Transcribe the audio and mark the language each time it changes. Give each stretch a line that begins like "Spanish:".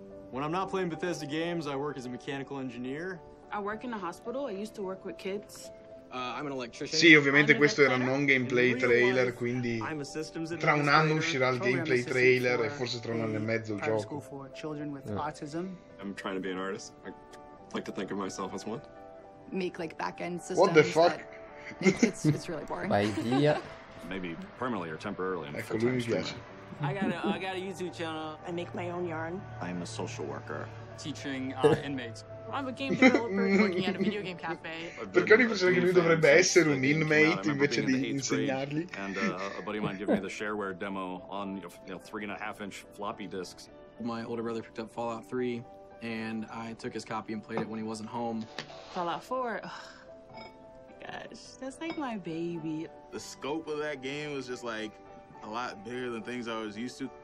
English: When I'm not playing Bethesda games, I work as a mechanical engineer. I work in a hospital. I used to work with kids. I'm an electrician.
Italian: Sì, ovviamente questo era un non gameplay trailer, quindi tra un anno uscirà il gameplay trailer e forse tra un anno e mezzo il gioco.
English: I'm trying to be an artist. I like to think of myself as one. Make like back-end systems. What the fuck? It's really boring. My idea. Maybe permanently or temporarily.
Italian: Ecco, lui mi piace.
English: I got a YouTube channel. I make my own yarn. I'm a social worker. Teaching inmates. I'm a game developer working at a video game cafe.
Italian: Perché ho l'impressione che lui dovrebbe essere un inmate invece di insegnargli?
English: And a buddy of mine gave me the shareware demo on, you know, 3.5-inch floppy disks. My older brother picked up Fallout 3, and I took his copy and played it when he wasn't home. Fallout 4. Ugh. Gosh, that's like my baby. The scope of that game was just like a lot bigger than things I was used to.